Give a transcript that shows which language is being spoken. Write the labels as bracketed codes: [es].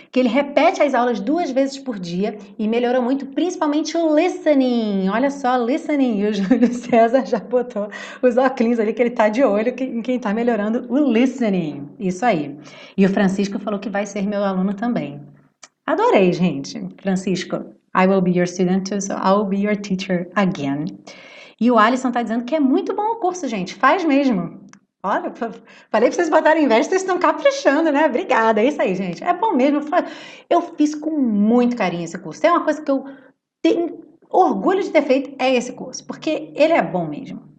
[pt] Que ele repete as aulas duas vezes por dia e melhorou muito, principalmente o listening. Olha só, listening. E o Júlio César já botou os óculos ali, que ele tá de olho em quem está melhorando o listening. Isso aí. E o Francisco falou que vai ser meu aluno também. Adorei, gente. [en] Francisco, I will be your student too, so I'll be your teacher again. [pt] E o Alisson tá dizendo que é muito bom o curso, gente. Faz mesmo. Olha, falei pra vocês botarem inveja, vocês estão caprichando, né? Obrigada, é isso aí, gente. É bom mesmo. Eu fiz com muito carinho esse curso. É uma coisa que eu tenho Orgulho de ter feito é esse curso, porque ele é bom mesmo.